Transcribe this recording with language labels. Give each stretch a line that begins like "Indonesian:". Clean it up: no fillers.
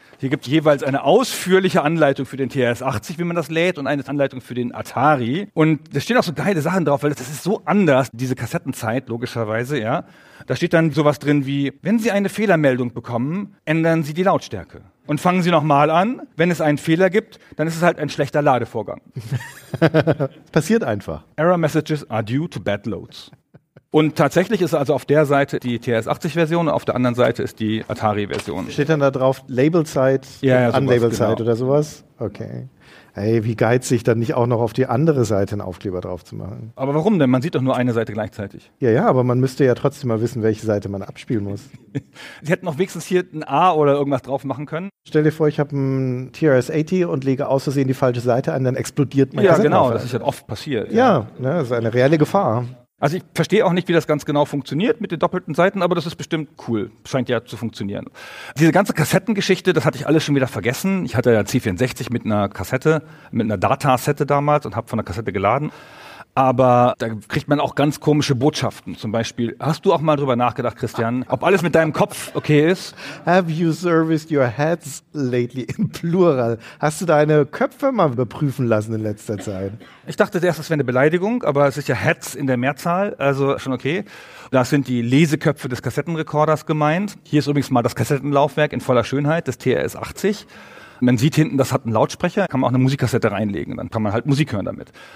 German: Hier gibt es jeweils eine ausführliche Anleitung für den TRS-80, wie man das lädt, und eine Anleitung für den Atari. Und da stehen auch so geile Sachen drauf, weil das ist so anders, diese Kassettenzeit, logischerweise, ja. Da steht dann sowas drin wie, wenn Sie eine Fehlermeldung bekommen, ändern Sie die Lautstärke. Und fangen Sie nochmal an, wenn es einen Fehler gibt, dann ist es halt ein schlechter Ladevorgang. Passiert einfach.
English: Error messages are due to bad loads.
German: Und tatsächlich ist also auf der Seite die TRS-80-Version, auf der anderen Seite ist die Atari-Version. Steht dann da drauf Label-Zeit, Unlabel-Zeit, genau. Oder sowas? Okay. Ey, wie geizig, dann nicht auch noch auf die andere Seite einen Aufkleber drauf zu machen. Aber warum denn? Man sieht doch nur eine Seite gleichzeitig. Ja, aber man müsste ja trotzdem mal wissen, welche Seite man abspielen muss. Sie hätten noch wenigstens hier ein A oder irgendwas drauf machen können. Stell dir vor, ich habe einen TRS-80 und lege aus Versehen die falsche Seite an, dann explodiert mein Kassettenlaufwerk. Ja, genau, das ist halt oft passiert. Ja, das ist eine reelle Gefahr. Also ich verstehe auch nicht, wie das ganz genau funktioniert mit den doppelten Seiten, aber das ist bestimmt cool. Scheint ja zu funktionieren. Diese ganze Kassettengeschichte, das hatte ich alles schon wieder vergessen. Ich hatte ja C64 mit einer Kassette, mit einer Datasette damals und habe von der Kassette geladen. Aber da kriegt man auch ganz komische Botschaften. Zum Beispiel, hast du auch mal drüber nachgedacht, Christian, ob alles mit deinem Kopf okay ist?
English: Have you serviced your heads lately?
German: Im Plural. Hast du deine Köpfe mal überprüfen lassen in letzter Zeit? Ich dachte zuerst, das wäre eine Beleidigung, aber es ist ja Heads in der Mehrzahl, also schon okay. Da sind die Leseköpfe des Kassettenrekorders gemeint. Hier ist übrigens mal das Kassettenlaufwerk in voller Schönheit, das TRS-80. Man sieht hinten, das hat einen Lautsprecher, kann man auch eine Musikkassette reinlegen, dann kann man halt Musik hören damit.